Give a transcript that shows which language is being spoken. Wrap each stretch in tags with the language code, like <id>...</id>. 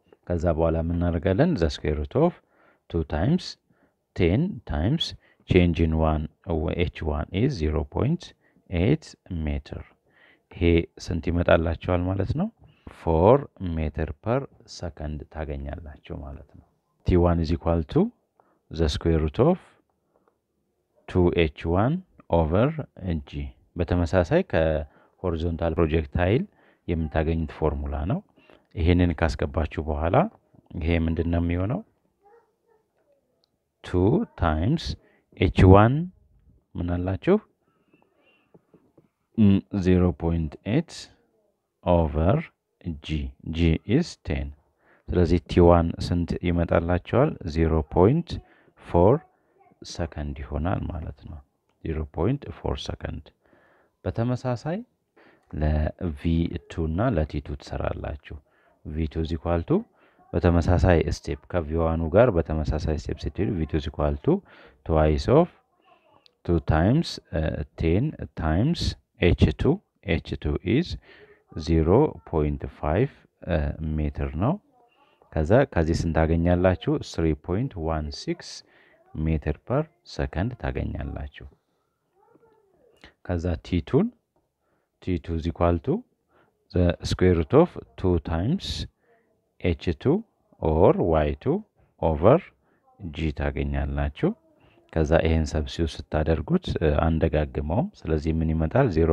<am>ከዛ በኋላ ምን እናደርጋለን</am> <en>the square root of 2 times 10 times change in h1 is 0.8 meter</en> <am>ይሄ ሴንቲመጣላችኋል ማለት ነው</am> <en>4 meter per second</en> <am>ታገኛላችሁ ማለት ነው</am> <en>t1 is equal to the square root of 2H1 over G.</en> <am>በተመሳሳይ ከhorizontal projectile የምታገኙት ፎርሙላ ነው. ይሄንን ካስገባችሁ በኋላ ይሄ ምንድነው የሚሆነው? 2 times H1 ምን አላችሁ?</am> <en>0.8 over G. G is 10.</en> <am>ስለዚህ T1 ስንት ይመጣላችኋል? 0.4 second ይሆናል ማለት ነው. 0.4 second. በተመሳሳይ ለV2 እና ለT2 ትሰራላችሁ.</am> <en>V2 is equal to</en> <am>በተመሳሳይ ስቴፕ ከV1ው ጋር በተመሳሳይ ስቴፕ ስትይሉ</am> <en>V2 is equal to twice of 2 times 10 times H2. H2 is 0.5 meter</en> <am>ነው. ከዛ ከዚህ ስንታገኛላችሁ 3.16 meter per second ታገኛላችሁ.</am> <en>ከዛ T2ን T2 is equal to the square root of 2 times H2 or Y2 over G</en> <am>ታገኛላችሁ. ከዛ ይሄን ሰብስዩ ስታደርጉት አንደጋግመው ስለዚህ ምን ይመጣል?</am>